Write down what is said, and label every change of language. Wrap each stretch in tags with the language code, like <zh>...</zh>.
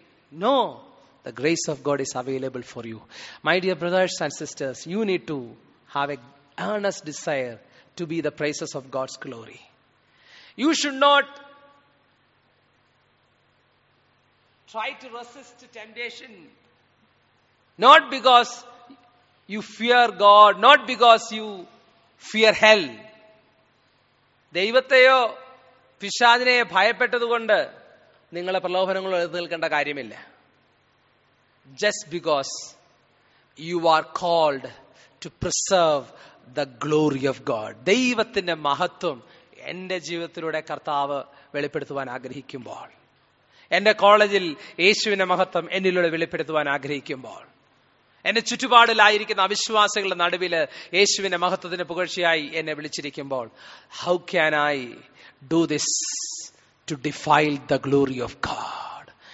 <en>No, the grace of God is available for you. My dear brothers and sisters, you need to have a earnest desire to be the praises of God's glory. You should not try to resist temptation, not because you fear God, not because you fear hell.</en> <ml>ദൈവത്തെയോ പിശാചിനെയോ ഭയപ്പെട്ടതുകൊണ്ട് നിങ്ങളെ പ്രലോഭനങ്ങളോ എഴുതി നിൽക്കേണ്ട കാര്യമില്ല.</ml> <en>Just because you are called to preserve the glory of God.</en> <ml>ദൈവത്തിന്റെ മഹത്വം എൻ്റെ ജീവിതത്തിലൂടെ കർത്താവ് വെളിപ്പെടുത്തുവാൻ ആഗ്രഹിക്കുമ്പോൾ, എൻ്റെ കോളേജിൽ യേശുവിൻ്റെ മഹത്വം എന്നിലൂടെ വെളിപ്പെടുത്തുവാൻ ആഗ്രഹിക്കുമ്പോൾ, എന്നെ ചുറ്റുപാടിലായിരിക്കുന്ന അവിശ്വാസികളുടെ നടുവിൽ യേശുവിൻ്റെ മഹത്വത്തിന് പുകഴ്ചയായി എന്നെ വിളിച്ചിരിക്കുമ്പോൾ,</ml> <en>How can I do this to defile the glory of God?</en>